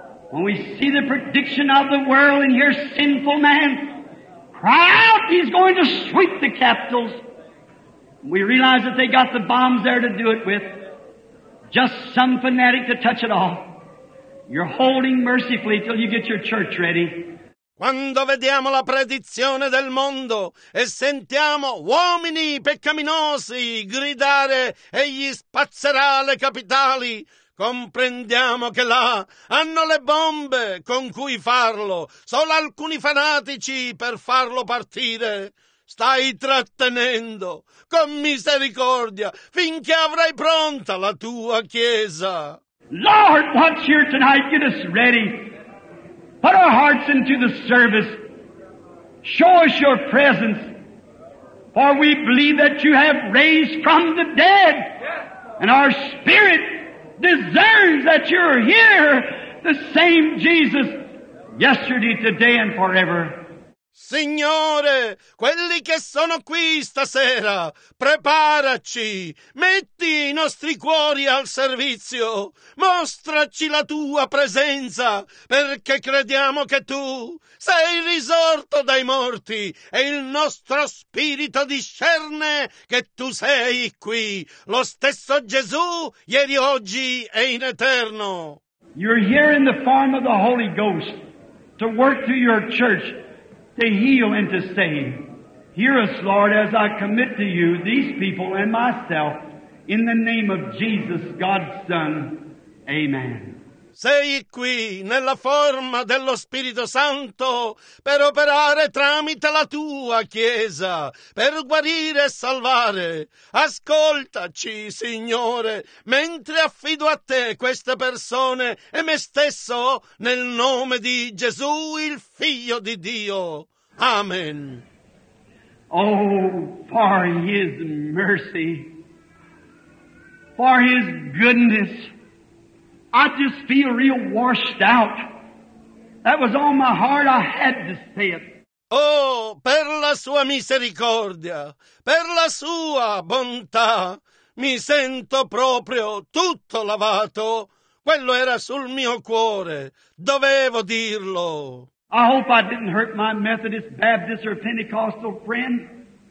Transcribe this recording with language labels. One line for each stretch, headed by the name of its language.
English: When we see the prediction of the world and your sinful man cry out, he's going to sweep the capitals. We realize that they got the bombs there to do it with. Just some fanatic to touch it all. You're holding mercifully till you get your church ready.
Italian: Quando vediamo la predizione del mondo e sentiamo uomini peccaminosi gridare egli spazzerà le capitali, comprendiamo che là hanno le bombe con cui farlo, solo alcuni fanatici per farlo partire. Stai trattenendo con misericordia finché avrai pronta la tua chiesa.
English: Lord, watch here tonight, get us ready. Put our hearts into the service. Show us your presence. For we believe that you have raised from the dead. And our spirit discerns that you're here, the same Jesus, yesterday, today, and forever.
Italian: Signore, quelli che sono qui stasera, preparaci, metti i nostri cuori al servizio, mostraci la tua presenza, perché crediamo che tu sei risorto dai morti e il nostro spirito discerne che tu sei qui, lo stesso Gesù, ieri, oggi e in eterno.
English: You're here in the form of the Holy Ghost to work through your church. To heal and to save. Hear us, Lord, as I commit to you these people and myself in the name of Jesus, God's Son. Amen.
Italian: Sei qui nella forma dello Spirito Santo per operare tramite la tua Chiesa, per guarire e salvare. Ascoltaci, Signore, mentre affido a te queste persone e me stesso nel nome di Gesù, il Figlio di Dio. Amen.
English: Oh, for His mercy, for His goodness, I just feel real washed out. That was on my heart, I had to say it.
Italian: Oh, per la sua misericordia, per la sua bontà, mi sento proprio tutto lavato. Quello era sul mio cuore, dovevo dirlo.
English: I hope I didn't hurt my Methodist, Baptist, or Pentecostal friend.